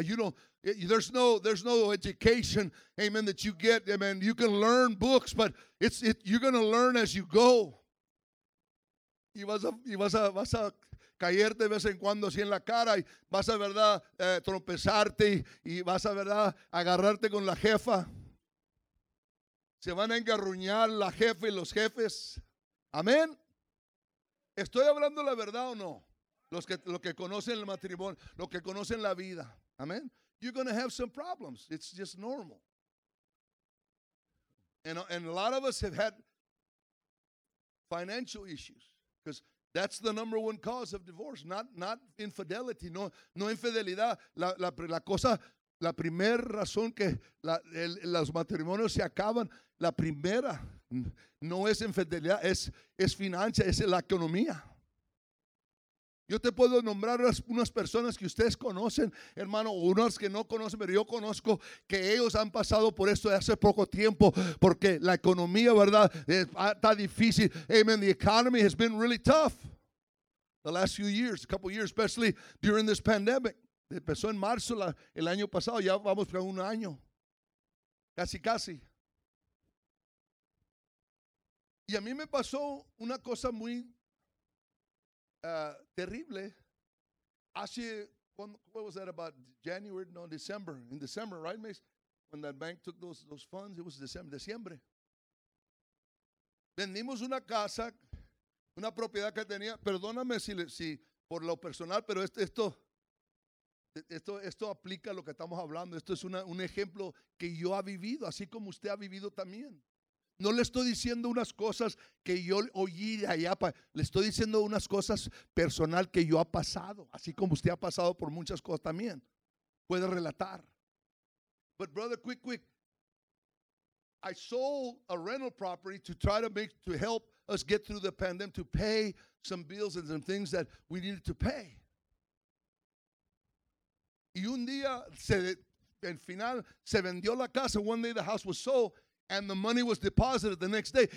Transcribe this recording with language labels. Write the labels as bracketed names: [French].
[English] You don't, there's no education, amen, that you get, amen. You can learn books, but you're going to learn as you go. [Spanish] Y vas a caerte de vez en cuando así en la cara y vas a, ¿verdad? Tropezarte y vas a, ¿verdad? Agarrarte con la jefa. Se van a engarruñar la jefa y los jefes. Amén. ¿Estoy hablando la verdad o no? Los que conocen el matrimonio, los que conocen la vida. [English] Amen. You're going to have some problems. It's just normal. And a lot of us have had financial issues because that's the number one cause of divorce, not infidelity. [Spanish] No infidelidad. La cosa, la primera razón que los matrimonios se acaban, la primera no es infidelidad, es financia, es la economía. Yo te puedo nombrar unas personas que ustedes conocen, hermano, unas que no conocen, pero yo conozco que ellos han pasado por esto de hace poco tiempo porque la economía, ¿verdad?, está difícil. Amen. [English] The economy has been really tough the last few years, a couple of years, especially during this pandemic. [Spanish] Empezó en marzo el año pasado, ya vamos para un año. Casi. Y a mí me pasó una cosa muy terrible. Hace, [English] what was that, about January? No, December. In December, right, Mace? When that bank took those funds, it was December. [Spanish] Diciembre. Vendimos una casa, una propiedad que tenía. Perdóname si por lo personal, pero esto aplica a lo que estamos hablando. Esto es un ejemplo que yo ha vivido, así como usted ha vivido también. No le estoy diciendo unas cosas que yo oí de allá. Le estoy diciendo unas cosas personal que yo ha pasado, así como usted ha pasado por muchas cosas también. Puede relatar. [English] But brother, quick. I sold a rental property to try to make, to help us get through the pandemic, to pay some bills and some things that we needed to pay. [Spanish] Y un día, en final, se vendió la casa. [English] One day the house was sold, and the money was deposited the next day.